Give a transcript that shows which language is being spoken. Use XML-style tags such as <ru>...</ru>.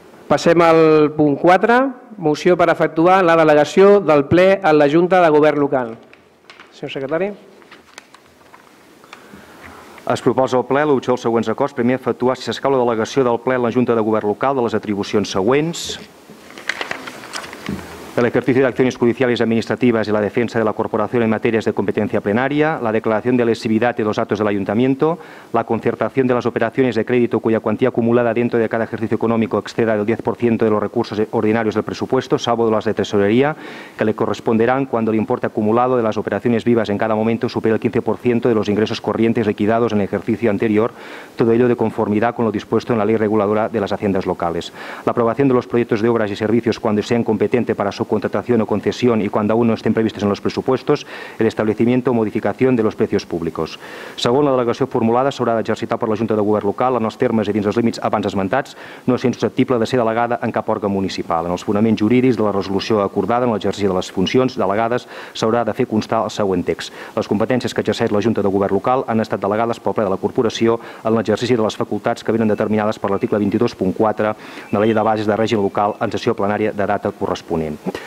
<ca>Passem al punt 4, moció per efectuar la delegació del ple a la Junta de Govern Local. Senyor secretari. Es proposa al ple l'opció dels següents acords. Primer, efectuar, si s'escau, la delegació del ple a la Junta de Govern Local de les atribucions següents.</ca> <es>El ejercicio de acciones judiciales y administrativas y la defensa de la corporación en materias de competencia plenaria, la declaración de lesividad de los actos del ayuntamiento, la concertación de las operaciones de crédito cuya cuantía acumulada dentro de cada ejercicio económico exceda del 10% de los recursos ordinarios del presupuesto, salvo las de tesorería, que le corresponderán cuando el importe acumulado de las operaciones vivas en cada momento supere el 15% de los ingresos corrientes liquidados en el ejercicio anterior, todo ello de conformidad con lo dispuesto en la ley reguladora de las haciendas locales. La aprobación de los proyectos de obras y servicios cuando sean competentes para subcontratación o concesión y cuando aún no estén previstos en los presupuestos, el establecimiento o modificación de los precios públicos. Según la delegación formulada,</es> <ca>s'haurà d'exercitar per la Junta de Govern Local en els termes i dins els límits abans esmentats, no sent susceptible de ser delegada en cap òrgan municipal. En els fonaments jurídics de la resolució acordada en l'exercici de les funcions delegades s'haurà de fer constar el següent text. Les competències que exerceix la Junta de Govern Local han estat delegades pel ple de la corporació en l'exercici de les facultats que venen determinades per l'article 22.4 de la Llei de Bases de Règim Local en sessió plenària de data corresponent.</ca>